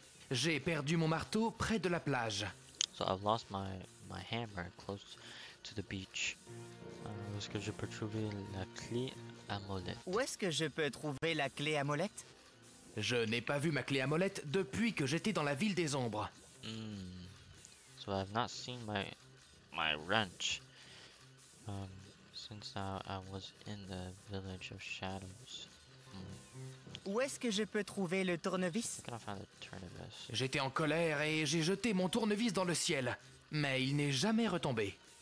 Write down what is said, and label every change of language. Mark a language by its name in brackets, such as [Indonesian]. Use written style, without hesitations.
[French] J'ai perdu mon marteau près de la plage. [English] So I've lost my hammer close to the beach. [French] Où est-ce que je peux trouver la clé à molette? Où est-ce que je peux trouver la clé à molette? Je n'ai pas vu ma clé à molette depuis que j'étais dans la ville des ombres. [English] So I've not seen my wrench since I was in the village of shadows. [French] Où est-ce que je peux trouver le tournevis? J'étais en colère et j'ai jeté mon tournevis dans le ciel, mais il n'est jamais retombé.